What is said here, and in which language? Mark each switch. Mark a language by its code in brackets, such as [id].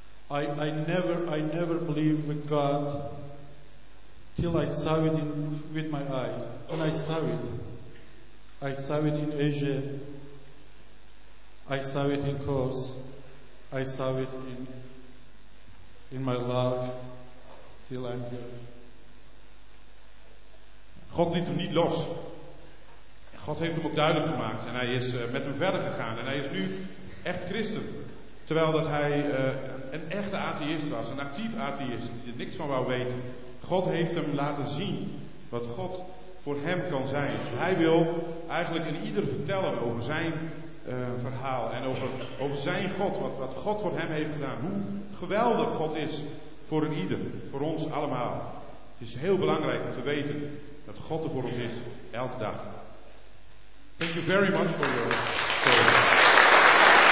[en] I never believed with God till I saw it with my eye. When I saw it in Asia, I saw it in Kos, I saw it in my love, till I'm here. [nl] God liet hem niet los. God heeft hem ook duidelijk gemaakt en hij is met hem verder gegaan. En hij is nu echt christen. Terwijl dat hij een echte atheïst was, een actief atheïst, die er niks van wou weten. God heeft hem laten zien wat God voor hem kan zijn. Hij wil eigenlijk in ieder vertellen over zijn verhaal en over zijn God, wat God voor hem heeft gedaan. Hoe geweldig God is voor een ieder, voor ons allemaal. Het is heel belangrijk om te weten dat God er voor ons is, elke dag. [en] Thank you very much for your story.